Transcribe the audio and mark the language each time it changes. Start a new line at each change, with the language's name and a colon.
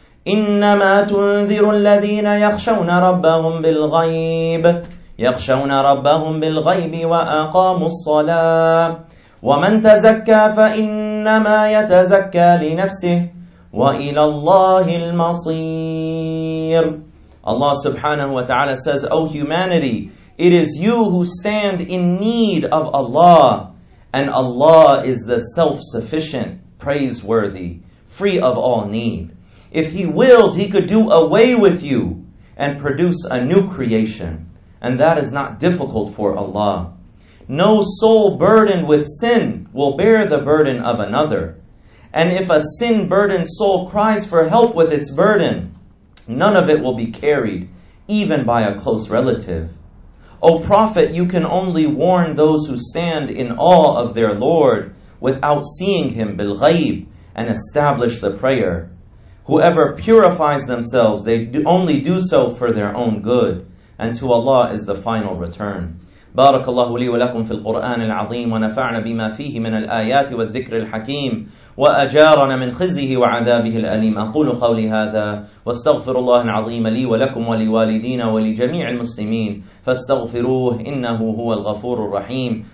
Arabic: إنما تنذر الذين يخشون ربهم بالغيب يخشون ربهم بالغيب وأقاموا الصلاة ومن تزكى فإنما يتزكى لنفسه وإلى الله المصير.
English: Allah subhanahu wa ta'ala says, O humanity, it is you who stand in need of Allah, and Allah is the self-sufficient, praiseworthy, free of all need. If He willed, He could do away with you and produce a new creation, and that is not difficult for Allah. No soul burdened with sin will bear the burden of another. And if a sin-burdened soul cries for help with its burden, none of it will be carried, even by a close relative. O Prophet, you can only warn those who stand in awe of their Lord without seeing Him bil-ghayb and establish the prayer. Whoever purifies themselves, they only do so for their own good. And to Allah is the final return.
Arabic: بارك الله لي ولكم في القرآن العظيم ونفعنا بما فيه من الآيات والذكر الحكيم وأجارنا من خزيه وعذابه الأليم أقول قولي هذا واستغفر الله العظيم لي ولكم ولوالدينا ولجميع المسلمين فاستغفروه إنه هو الغفور الرحيم.